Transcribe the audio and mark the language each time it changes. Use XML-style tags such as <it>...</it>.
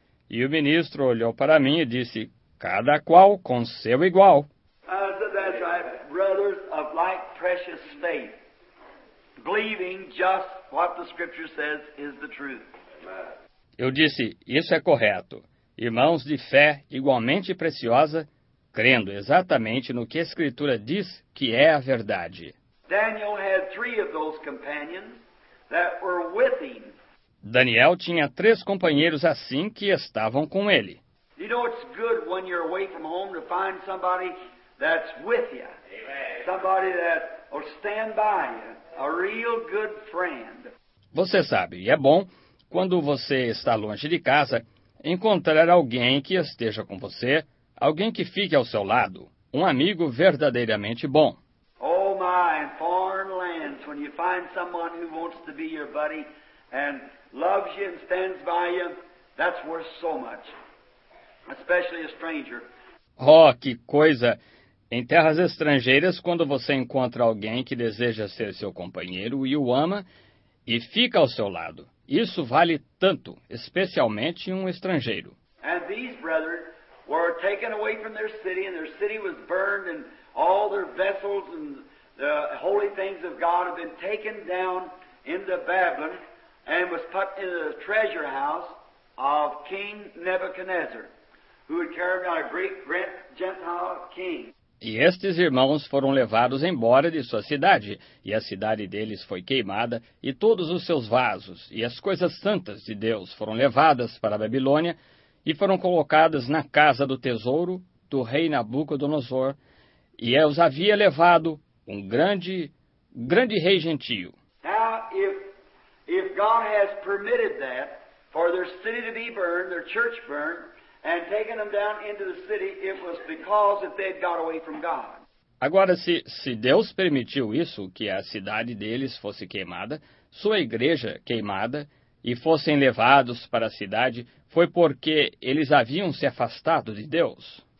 <pt>E o ministro olhou para mim e disse, cada qual com seu igual.</pt> <en>So that's right. Brothers of like precious faith, believing just what the scripture says is the truth.</en> <pt>Eu disse, isso é correto. Irmãos de fé igualmente preciosa, crendo exatamente no que a escritura diz que é a verdade.</pt> <en>Daniel had three of those companions that were with him.</en> <pt>Daniel tinha três companheiros assim que estavam com ele.</pt> <en>You know, it's good when you're away from home to find somebody that's with you. Amen. Somebody that will stand by you. A real good friend.</en> <pt>Você sabe, é bom quando você está longe de casa, encontrar alguém que esteja com você, alguém que fique ao seu lado, um amigo verdadeiramente bom.</pt> <en>Oh my, in foreign lands, when you find someone who wants to be your buddy and loves you and stands by you, that's worth so much, especially a stranger.</en> <pt>Oh, que coisa! Em terras estrangeiras, quando você encontra alguém que deseja ser seu companheiro e o ama e fica ao seu lado, isso vale tanto, especialmente um estrangeiro.</pt> <en>And these brethren were taken away from their city was burned, and all their vessels and the holy things of God have been taken down into Babylon and was put in the treasure house of King Nebuchadnezzar, who had carried out a great Gentile king.</en> <pt>E estes irmãos foram levados embora de sua cidade, e a cidade deles foi queimada, e todos os seus vasos e as coisas santas de Deus foram levadas para a Babilônia e foram colocadas na casa do tesouro do rei Nabucodonosor, e os havia levado um grande rei gentio.</pt> <en>Now, if God has permitted that for their city to be burned, their church burned, and taking them down into the city, it was because that they had got away from God.</en> <pt>Agora, se Deus permitiu isso, que a cidade deles fosse queimada, sua igreja queimada, e fossem levados para a cidade, foi porque eles haviam se afastado de Deus.</pt>